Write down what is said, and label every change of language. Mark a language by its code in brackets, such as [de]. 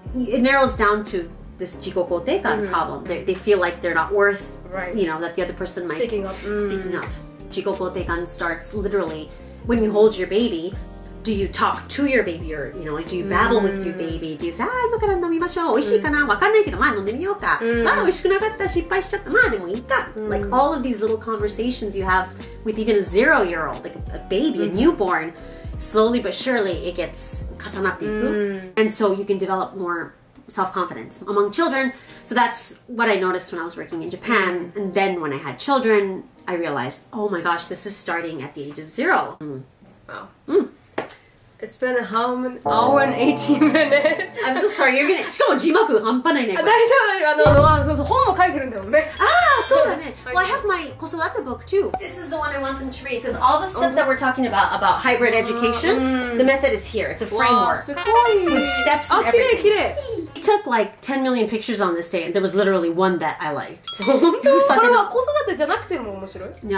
[en] It narrows down to this 自己肯定感problem. They feel like they're not worth, you know, that the other person speaking might speak up. 自己肯定感 starts literally when you hold your baby, do you talk to your baby or, you know, do you babble with your baby? Do you say, ah, [ja] 今から飲みましょう。美味しいかな? わかんないけど、まあ飲んでみようか。まあ美味しくなかった。失敗しちゃった。まあでもいいか。 [en] Like all of these little conversations you have with even a zero-year-old, like a baby, a newborn, slowly but surely it gets [ja] 重なっていく。 [en] And so you can develop more self-confidence among children. So that's what I noticed when I was working in Japan. And then when I had children, I realized, oh my gosh, this is starting at the age of zero. Wow. It's been how many hour and 18 minutes? I'm so sorry, you're gonna... [ja] しかも字幕半端ないね。大丈夫、そうそう、本も書いてるんだもんね。ああ、そうだね。 [en] Well, I have my 子育て book too. This is the one I want them to read, because all the stuff that we're talking about hybrid education, the method is here. It's a framework. [ja] すごい。 [en] With steps and everything. [ja] あ、きれいきれい。 [en] I took like 10 million pictures on this day and there was literally one that I liked. Yeah,